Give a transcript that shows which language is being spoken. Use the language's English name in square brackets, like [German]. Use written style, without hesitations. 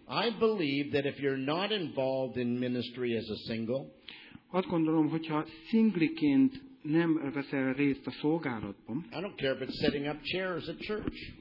[English] I believe that if you're not involved in ministry as a single, [Hungarian] azt gondolom, hogyha szingliként nem veszel részt a szolgálatban, [English] I don't care if it's setting up chairs at church.